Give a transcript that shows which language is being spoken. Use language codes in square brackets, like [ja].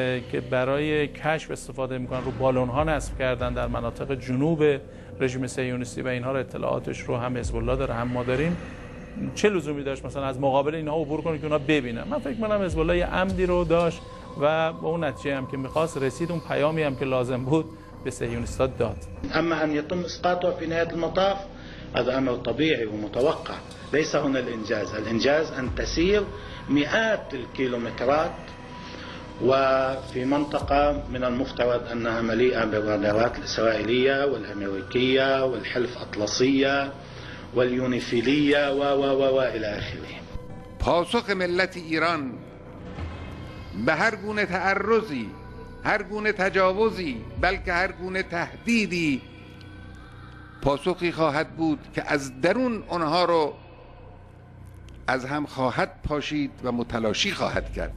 [fa] که برای کشف استفاده می‌کنن رو بالون‌ها نصب کردن در مناطق جنوب رژیم صهیونیستی و اینها رو اطلاعاتش رو هم حزب الله داره هم ما داریم، چه لزومی داشت مثلا از مقابل اینها عبور کنه که اونها ببینن؟ من فکر می‌کنم حزب الله یه عمدی رو داشت و با اون نتیجه هم که می‌خواست رسید، اون پیامی هم که لازم بود به صهیونیست‌ها داد. [ar] اما ان يتم اسقاطه في نهايه المطاف هذا أمر طبيعي ومتوقع، ليس هنا الإنجاز، الإنجاز أن تسير مئات الكيلومترات وفي منطقة من المفترض أنها مليئة بالرادارات الإسرائيلية والأمريكية والحلف أطلسية واليونيفيلية و إلى آخره. [fa] پاسخ ملت إيران به هر گونه تعرضی، هر گونه تجاوزی، بلکه هر گونه تهدیدی پاسخی خواهد بود که از درون اونها رو از هم خواهد پاشید و متلاشی خواهد کرد.